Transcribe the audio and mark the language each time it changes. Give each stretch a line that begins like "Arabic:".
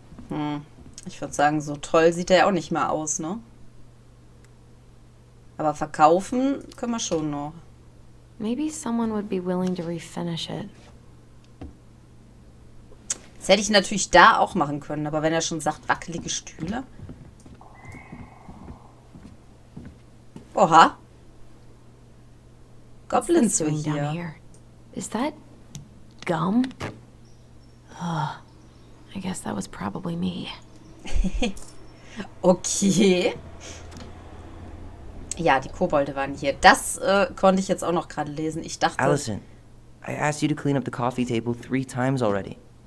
German: Ich würde sagen, so toll sieht er ja auch nicht mehr aus, ne? Aber verkaufen können wir schon noch.
English: Maybe someone would be willing to refinish it.
German: Das hätte ich natürlich da auch machen können, aber wenn er schon sagt, wackelige Stühle. Oha.
English: Goblins doing down here. Is that gum? Ugh. I guess that was probably me. Okay.
German: Ja, die Kobolde waren hier. Das konnte ich jetzt auch noch gerade lesen. Ich dachte.
English: Alyson, I asked you to clean up the coffee table 3 times already.